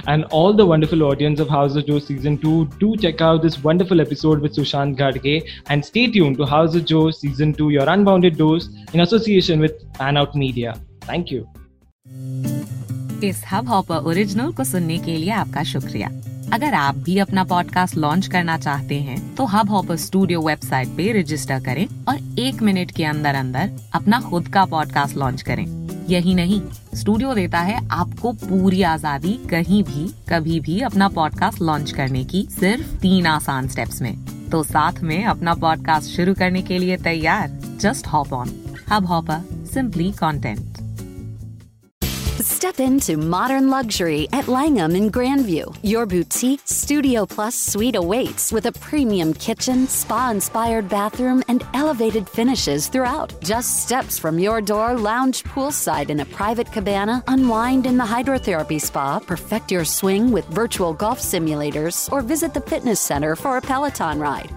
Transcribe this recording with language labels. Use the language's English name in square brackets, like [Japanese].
[English] and all the wonderful audience of House of Joe season 2, do check out this wonderful episode with Sushant Gadge and stay tuned to House of Joe season 2, your unbounded dose in association with Pan Out Media. Thank you. [Hindi] इस Hubhopper original को सुनने के लिए आपका शुक्रिया. अगर आप भी अपना podcast launch करना चाहते हैं तो Hubhopper Studio website पे register करें और 1 मिनट के अंदर अंदर अपना खुद का podcast launch करें. यही नहीं, स्टूडियो देता है आपको पूरी आजादी कहीं भी कभी भी अपना पॉडकास्ट लॉन्च करने की सिर्फ 3 आसान स्टेप्स में. तो साथ में अपना पॉडकास्ट शुरू करने के लिए तैयार, [English] Just hop on Hub Hopper, simply content. Step into modern luxury at Langham in Grandview. Your boutique Studio Plus suite awaits with a premium kitchen, spa-inspired bathroom, and elevated finishes throughout. Just steps from your door, lounge poolside in a private cabana, unwind in the hydrotherapy spa, perfect your swing with virtual golf simulators, or visit the fitness center for a Peloton ride.